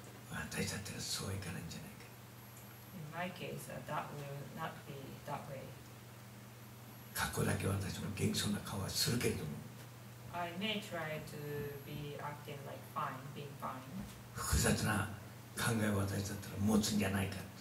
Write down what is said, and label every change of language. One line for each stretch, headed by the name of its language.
Japanese: 私だったらそういかないんじゃないか。
English: In my case, that will not be that way.
Japanese: 過去だけ私も元気そうな顔はするけれども。
English: I may try to be acting like fine, being fine.
Japanese: 複雑な考えを私だったら持つんじゃないかと。